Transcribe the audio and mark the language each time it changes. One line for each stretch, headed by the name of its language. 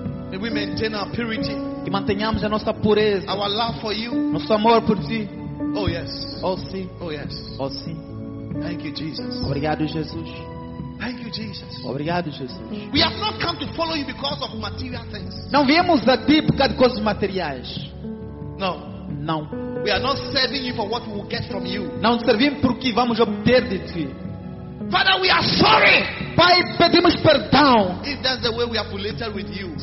English: May we maintain our purity.
Portuguese: Que mantenhamos a nossa pureza.
English: Our love for you.
Portuguese: Nosso amor por ti.
English: Oh yes.
Portuguese: Oh sim.
English: Oh yes.
Portuguese: Oh sim.
English: Thank you Jesus.
Portuguese: Obrigado Jesus.
English: Thank you Jesus.
Portuguese: Obrigado Jesus.
English: We have not come to follow you because of material things.
Portuguese: Não viemos a ti por causa de coisas materiais.
English: No.
Portuguese: Não.
English: We are not serving you for what we will get from you.
Portuguese: Não servimos por o que vamos obter de ti.
English: Father, we are sorry.
Portuguese: Pai, pedimos perdão.
English: If that's the way we are related with you.